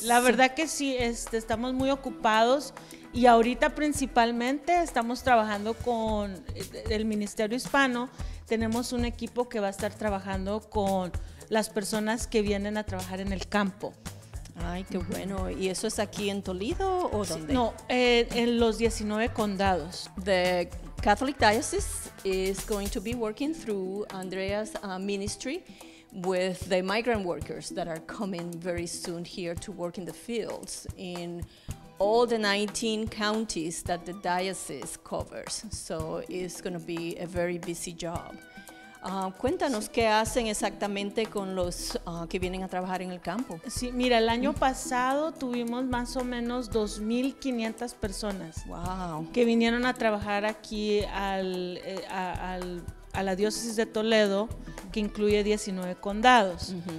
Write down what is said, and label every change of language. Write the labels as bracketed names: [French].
[Spanish] La verdad que sí, estamos muy ocupados y ahorita principalmente estamos trabajando con el Ministerio Hispano. Tenemos un equipo que va a estar trabajando con las personas que vienen a trabajar en el campo. Ay, qué bueno. ¿Y eso es aquí en Toledo o dónde? No, en los 19 condados. [English] The Catholic Diocese is going to be working through Andrea's ministry with the migrant workers that are coming very soon here to work in the fields in all the 19 counties that the diocese covers. So it's going to be a very busy job. [Spanish] Cuéntanos, sí, qué hacen exactamente con los que vienen a trabajar en el campo. Sí, mira, el año pasado tuvimos más o menos 2,500 personas. [English] Wow. [Spanish] Que vinieron a trabajar aquí a la diócesis de Toledo, que incluye 19 condados.